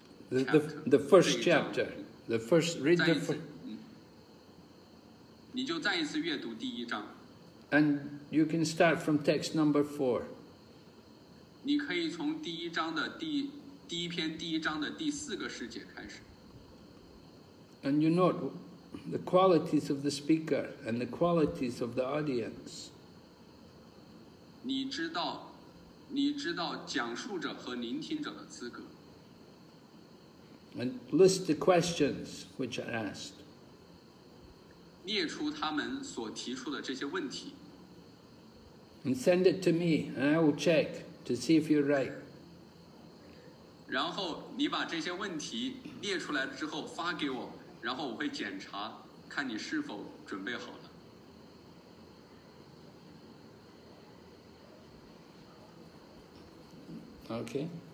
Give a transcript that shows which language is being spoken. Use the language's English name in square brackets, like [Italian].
[English] the first chapter. The first, read the first. [Chinese] 你就再一次阅读第一章。 [English] And you can start from text number 4. [Chinese] 你可以从第一章的第一篇第一章的第四个诗节开始。 [English] And you note the qualities of the speaker and the qualities of the audience. [Chinese] 你知道讲述者和聆听者的资格。 [English] And list the questions which are asked. [Chinese] 列出他们所提出的这些问题。 [English] And send it to me, and I will check to see if you're right. [Chinese] 然后你把这些问题列出来之后发给我，然后我会检查看你是否准备好了。 [English] Okay.